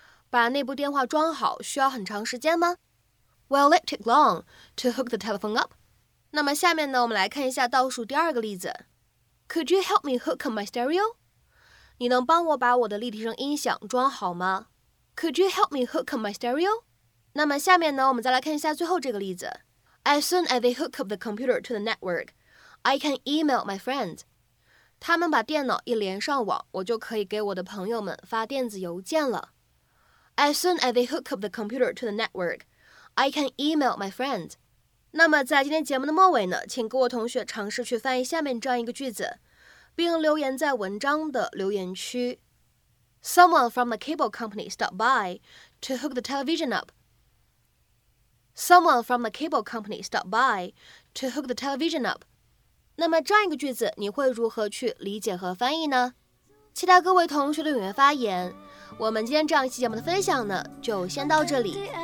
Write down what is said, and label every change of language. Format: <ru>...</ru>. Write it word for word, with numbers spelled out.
<zh>把那部电话装好需要很长时间吗？</zh> <en>Will it take long to hook the telephone up?</en> <zh>那么下面呢，我们来看一下倒数第二个例子。</zh> <en>Could you help me hook up my stereo?</en> <zh>你能帮我把我的立体声音响装好吗？</zh> <en>Could you help me hook up my stereo?</en> <zh>那么下面呢，我们再来看一下最后这个例子。</zh> <en>As soon as they hook up the computer to the network, I can email my friends.</en> <zh>他们把电脑一连上网，我就可以给我的朋友们发电子邮件了。</zh> <en>As soon as they hook up the computer to the network, I can email my friends.</en> <zh>那么在今天节目的末尾呢，请各位同学尝试去翻译下面这样一个句子，并留言在文章的留言区。</zh> <en>Someone from the cable company stopped by to hook the television up. Someone from the cable company stopped by to hook the television up.</en> <zh>那么这样一个句子，你会如何去理解和翻译呢？期待各位同学的踊跃发言。我们今天这样一期节目的分享呢，就先到这里。</zh>